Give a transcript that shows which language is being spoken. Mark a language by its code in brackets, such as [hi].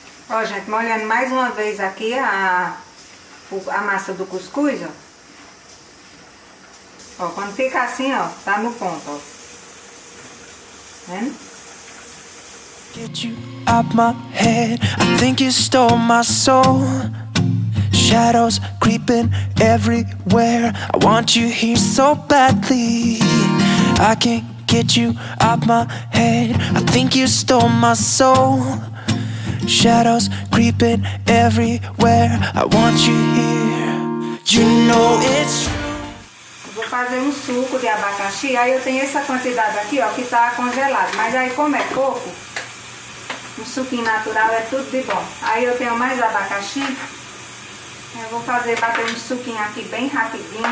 [pt] Ó, gente, molhando mais uma vez aqui a massa do cuscuz, ó. Ó, quando fica assim, ó, tá no ponto, ó. Vendo? [en] Get you out my head, I think you stole my soul. Shadows creeping everywhere, I want you here so badly. I can't get you out my head, I think you stole my soul. Shadows creeping everywhere, I want you here. You know it's true. [pt] Vou fazer um suco de abacaxi. Aí eu tenho essa quantidade aqui, ó, que tá congelado. Mas aí como é pouco, um suquinho natural é tudo de bom. Aí eu tenho mais abacaxi. Eu vou fazer, bater um suquinho aqui bem rapidinho.